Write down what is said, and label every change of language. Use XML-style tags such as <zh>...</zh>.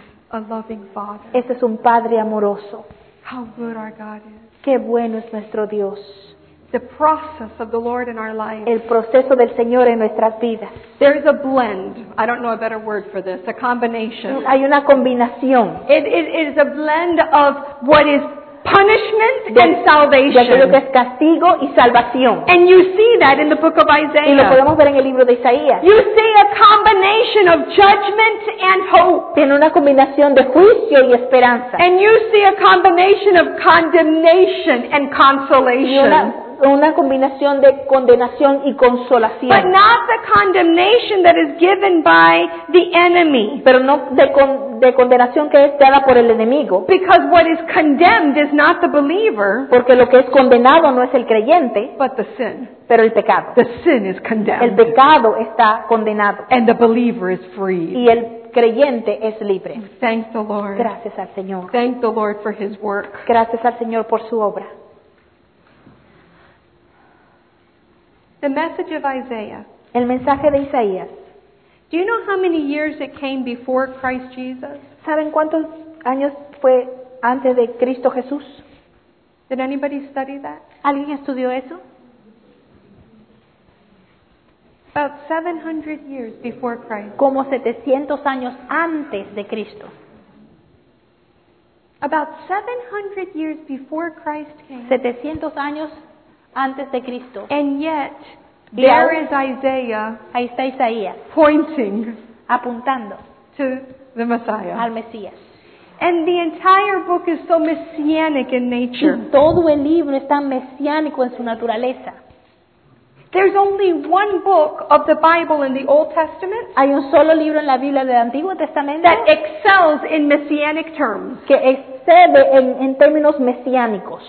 <en>A loving father.</en> <es>Este es un padre amoroso.</es> <en>How good our God is.</en> <es>Qué bueno es nuestro Dios.</es> <en>The process of the Lord in our lives.</en> <es>El proceso del Señor en nuestras vidas.</es> <en>There is a blend. I don't know a better word for this. A combination.</en> <es>Hay una combinación.</es> <en>It is a blend of what is punishment and salvation.</en> <es>De lo que es castigo y salvación.</es> <en>And you see that in the book of Isaiah.</en> <es>Y lo podemos ver en el libro de Isaías.</es> <en>You see a combination of judgment and hope.</en> <es>Tiene una combinación de juicio y esperanza.</es> <en>And you see a combination of condemnation and consolation.</en> <es>Una combinación de condenación y consolación.</es> <en>But not the condemnation that is given by the enemy.</en> <es>Pero no de condenación que es dada por el enemigo.</es> <en>Because what is condemned is not the believer.</en> <es>Porque lo que es condenado no es el creyente.</es> <en>But the sin.</en> <es>Pero el pecado.</es> <en>The sin is condemned.</en> <es>El pecado está condenado.</es> <en>And the believer is free.</en> <es>Y el creyente es libre.</es> <en>Thank the Lord.</en> <es>Gracias al Señor.</es> <en>Thank the Lord for His work.</en> <es>Gracias al Señor por su obra.</es> <en>The message of Isaiah.</en> <es>El mensaje de Isaías.</es> <en>Do you know how many years it came before Christ Jesus?</en> <es>¿Saben cuántos años fue antes de Cristo Jesús?</es> <en>Did anybody study that?</en> <es>¿Alguien estudió eso?</es> <en>About 700 years before Christ.</en> <es>Como 700 años antes de Cristo.</es> <en>About 700 years before Christ came.</en> <es>700 años antes de Cristo.</es> <en>And yet, there is Isaiah.</en> <es>Ahí está Isaías.</es> <en>Pointing.</en> <es>Apuntando.</es> <en>To the Messiah.</en> <es>Al Mesías.</es> <en>And the entire book is so messianic in nature.</en> <es>Y todo el libro está mesiánico en su naturaleza.</es> <en>There's only one book of the Bible in the Old Testament.</en> <es>Hay un solo libro en la Biblia del Antiguo Testamento.</es> <en>That excels in messianic terms.</en> <es>Que excede en términos mesiánicos.</es>